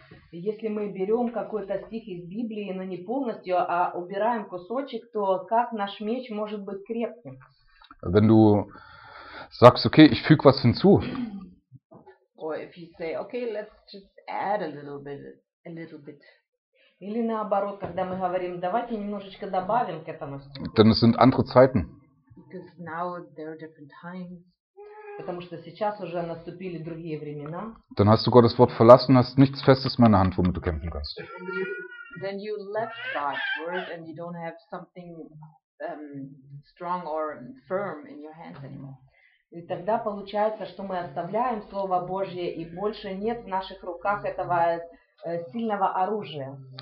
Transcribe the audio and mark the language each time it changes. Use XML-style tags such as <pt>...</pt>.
<ru>Если мы берем какой-то стих из Библии, но не полностью, а убираем кусочек, то как наш меч может быть крепким?</ru> <de>Wenn du sagst, okay, ich füge was hinzu.</de> <en>Or if you say, okay, let's just add a little bit.</en> <ru>Или наоборот, когда мы говорим, давайте немножечко добавим к этому.</ru> <de>Denn es sind andere Zeiten.</de> <en>Because now there are different times.</en> <ru>Потому что сейчас уже наступили другие времена.</ru> <de>Dann hast du Gottes Wort verlassen, hast nichts Festes in meiner Hand, womit du kämpfen kannst.</de> <en>Then you left God's word and you don't have something strong or firm in your hands anymore.</en> <ru>И тогда получается, что мы оставляем Слово Божье, и больше нет в наших руках этого сильного оружия.</ru>